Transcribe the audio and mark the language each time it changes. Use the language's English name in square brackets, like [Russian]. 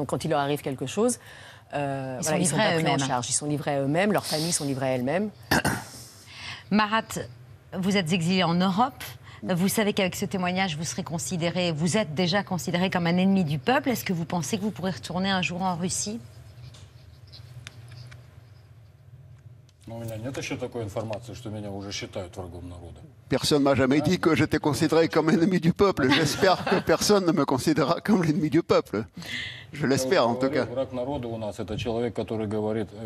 [French] Donc quand il leur arrive quelque chose, ils sont livrés à eux-mêmes, leurs familles sont livrées à elles-mêmes. Marat, vous êtes exilé en Europe. Vous savez qu'avec ce témoignage, vous serez considéré, vous êtes déjà considéré comme un ennemi du peuple. Est-ce que vous pensez que vous pourrez retourner un jour en Russie ? [Russian] У меня нет еще такой информации, что меня уже считают врагом народа. [French] Personne m'a jamais dit que j'étais considéré comme ennemi du peuple. J'espère que personne ne me considérera comme l'ennemi du peuple. Je l'espère en tout cas. [Russian] Враг народа у нас это человек, который говорит.